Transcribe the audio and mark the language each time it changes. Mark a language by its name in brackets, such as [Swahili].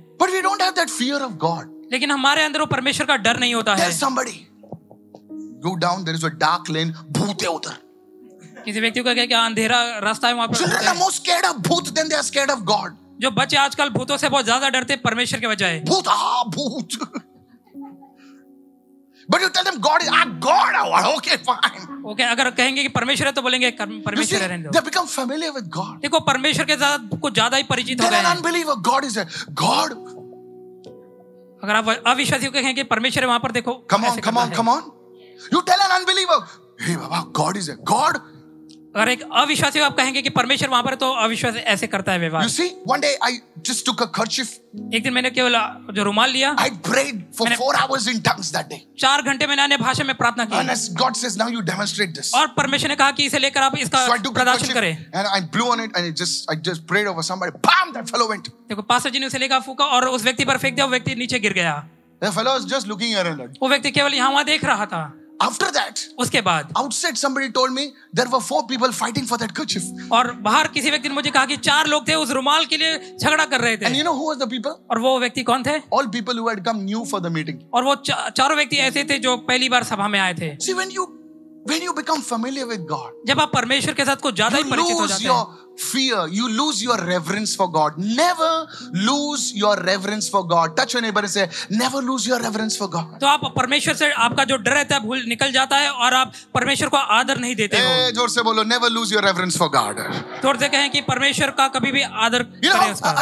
[English] But we don't have that fear of God. [Hindi] लेकिन हमारे अंदर वो परमेश्वर का डर नहीं होता है. [English] There's somebody. Go down. There is a dark lane. [Hindi] भूत है उधर. किसी व्यक्ति को क्या क्या अंधेरा रास्ता है वहाँ पर. [English] Children are more scared of bhoot than they are scared of God. [Hindi] जो बच्चे आजकल भूतों से बहुत ज़्यादा डरते हैं परमेश्वर के बजाय. भूत हाँ भूत. [English] But you tell them God is our God. Okay, fine. [Hindi] Okay, अगर कहेंगे कि परमेश्वर है तो बोलेंगे परमेश्वर रहने दो. [English] They become familiar with God. [Hindi] देखो परमेश्वर के साथ को ज़्यादा ही परिचित हो गए. [English] Then an unbeliever God is a God. [Hindi] अगर आप अविश्वासी को कहेंगे कि परमेश्वर है वहाँ पर देखो. [English] Come on. You tell an unbeliever, hey Baba, God is a God. [Hindi] अगर एक अविश्वासी को आप कहेंगे कि परमेश्वर वहाँ पर तो अविश्वासी ऐसे करता है व्यवहार. [English] You see, one day I just took a kerchief. [Hindi] एक दिन मैंने केवल जो रुमाल लिया. [English] I prayed for 4 hours in tongues that day. [Hindi] 4 घंटे मैंने अन्य भाषा में प्रार्थना की. [English] And as God says, now you demonstrate this. [Hindi] और परमेश्वर ने कहा कि इसे लेकर आप इसका प्रदर्शन करें. [English] And I blew on it and I just prayed over somebody. Bam, that fellow went. [Hindi] देखो पास्टर जी ने उसे लेकर फूंका और उस व्यक्ति पर फेंक दिया. वो व्यक्ति नीचे गिर गया. [English] The fellow was just looking around. [Hindi] वो व्यक्ति केवल यहाँ वहाँ देख रहा था. [English] After that, [Hindi] उसके बाद, [English] outside somebody told me there were 4 people fighting for that kerchief. [Hindi] और बाहर किसी व्यक्ति ने मुझे कहा कि 4 लोग थे उस रुमाल के लिए झगड़ा कर रहे थे. [English] And you know who was the people? [Hindi] और वो व्यक्ति कौन थे? [English] All people who had come new for the meeting. [Hindi] और वो चारों व्यक्ति ऐसे थे जो पहली बार सभा में आए थे. [English] See when you become familiar with God. [Hindi] जब आप परमेश्वर के साथ को ज़्यादा ही परिचित हो जाते हैं. [English] You lose your fear. You lose your reverence for God. Never lose your reverence for God. Touch your neighbor and say, never lose your reverence for God. [Hindi] तो आप परमेश्वर से आपका जो डर रहता है भूल निकल जाता है और आप परमेश्वर को आदर नहीं देते हो. जोर से बोलो, [English] never lose your reverence for God. [Hindi] जोर से कहें कि परमेश्वर का कभी भी आदर करें उसका.